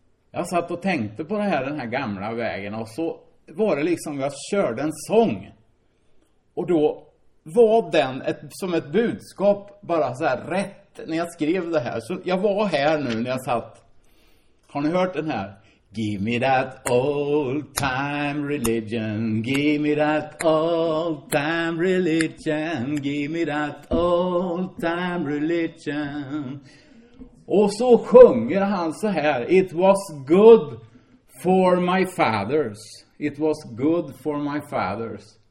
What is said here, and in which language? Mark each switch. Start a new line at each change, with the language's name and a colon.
Swedish: Men jag satt och tänkte på det här, den här gamla vägen, och så var det liksom, jag körde en sång. Och då var den ett, som ett budskap, bara så här rätt när jag skrev det här. Så jag var här nu när jag satt. Har ni hört den här?
English: Give me that old time religion. Give me that old time religion. Give me that old time religion.
Swedish: Och så sjunger han så här.
English: It was good for my fathers. It was good for my fathers.